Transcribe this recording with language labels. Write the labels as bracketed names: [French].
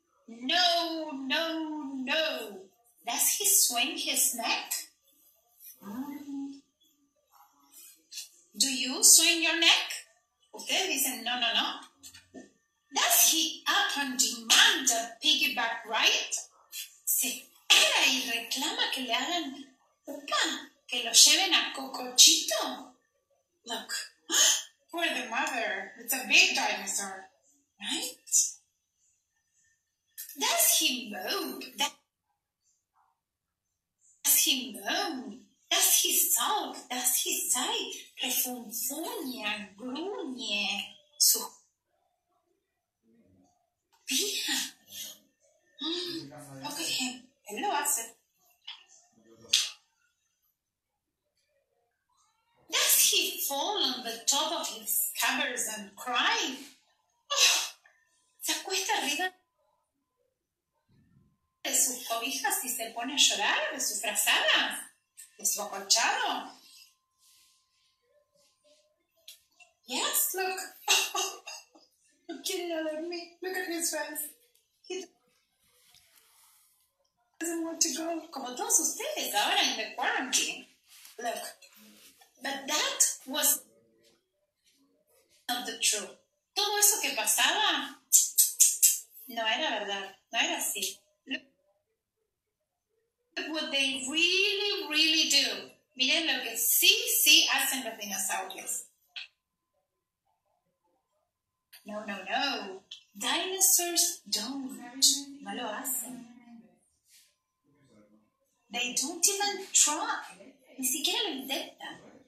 [English] No, no, no. Does he swing his neck? Do you swing your neck? [Spanish] Ustedes dicen no, no, no. [English] Does he up and demand a piggyback ride? [Spanish] Se para y reclama que le hagan upa, que lo lleven a Cocochito. [English] Look, poor the mother. It's a big dinosaur, right? Does he moan? Does he sulk? Does he sigh? [Spanish] Refunfuña, gruñe. Suspira. [English] Look at him. [Spanish] Él lo hace. [English] Does he fall on the top of his covers and cry? [Spanish] Oh, se acuesta arriba de sus cobijas y se pone a llorar de sus frazadas, de su acolchado. [English] Yes, look. [Spanish] No quiere ir a dormir. [English] Look at his face. He doesn't want to go. [Spanish] Como todos ustedes ahora en [English] the quarantine. Look. But that was not the truth. [Spanish] Todo eso que pasaba no era verdad. No era así. [English] Look what they really, really do. [Spanish] Miren lo que sí, sí hacen los dinosaurios. No, no, no. [English] Dinosaurs don't. [Spanish] No lo hacen. [English] They don't even try. [Spanish] Ni siquiera lo intentan.